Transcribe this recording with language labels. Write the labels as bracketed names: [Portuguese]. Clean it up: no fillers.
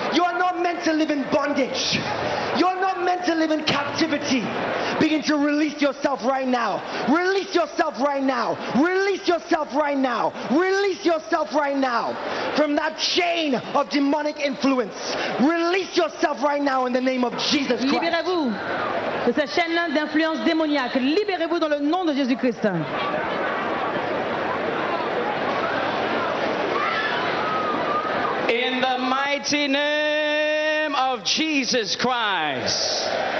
[English] You are not meant to live in bondage. You're not meant to live in captivity. Begin to release yourself right now. Release yourself right now. Release yourself right now. Release yourself right now from that chain of demonic influence. Release yourself right now in the name of Jesus Christ. [French] Libérez-vous de cette chaîne d'influence démoniaque. Libérez-vous dans le nom de Jésus Christ. [English] In the mighty name of Jesus Christ.